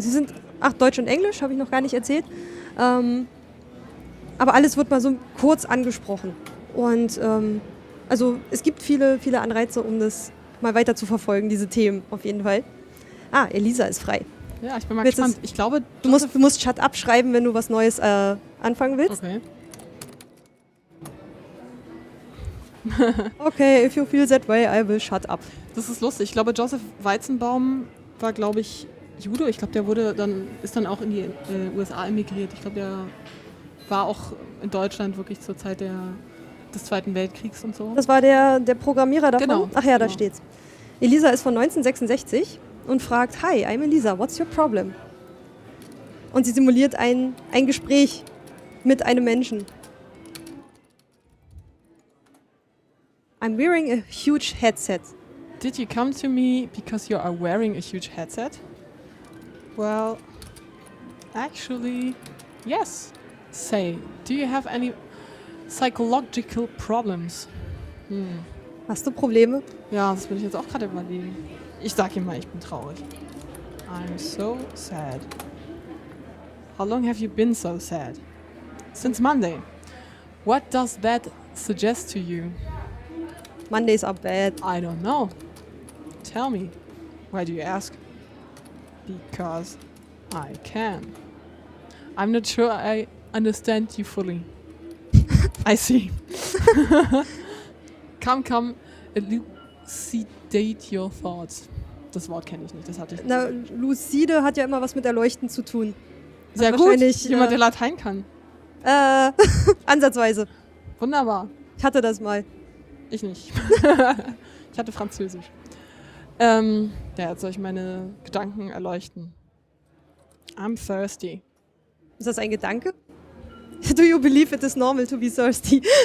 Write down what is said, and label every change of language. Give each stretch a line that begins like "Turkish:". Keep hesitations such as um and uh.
German: Sie sind, ach, Deutsch und Englisch, habe ich noch gar nicht erzählt. Ähm, aber alles wird mal so kurz angesprochen. Und ähm, also es gibt viele, viele Anreize, um das mal weiter zu verfolgen, diese Themen auf jeden Fall. Ah, Elisa ist frei. Ja, ich bin mal Willst gespannt. Ich glaube, Du musst, du musst
English: Shut Up
German: schreiben, wenn du was Neues äh, anfangen willst. okay.
English: Okay, if you feel that way, I will shut up.
German: Das ist lustig. Ich glaube, Joseph Weizenbaum war, glaube ich, Jude. Ich glaube, der wurde dann, ist dann auch in die äh, USA emigriert. Ich glaube, der war auch in Deutschland wirklich zur Zeit der, des Zweiten Weltkriegs und so. Das war der, der Programmierer davon? Genau, Ach ja, da genau. steht's. Elisa ist von 1966 und fragt,
English: Hi, I'm Elisa, what's your problem?
German: Und sie simuliert ein, ein Gespräch mit einem Menschen.
English: I'm wearing a huge headset. Did you come to me because you are wearing a huge headset? Well, actually, yes. Say, do you have any psychological problems?
German: Hast du Probleme? Ja, das bin ich jetzt auch gerade überlegen. Ich sag ihm mal, ich bin traurig.
English: I'm so sad. How long have you been so sad? Since Monday. What does that suggest to you? Mondays are bad. I don't know. Tell me. Why do you ask? Because I can. I'm not sure I understand you fully. I see. come, come, elucidate your thoughts.
German: Das Wort kenne ich nicht, das hatte ich nicht. Na, Lucide hat ja immer was mit Erleuchten zu tun. Sehr gut, wahrscheinlich, jemand, äh, der Latein kann. Äh, ansatzweise. Wunderbar. Ich hatte das mal. Ich nicht. ich hatte Französisch. Ähm, ja, jetzt soll ich meine Gedanken erleuchten.
English: I'm thirsty.
German: Ist das ein Gedanke?
English: Do you believe it is normal to be thirsty?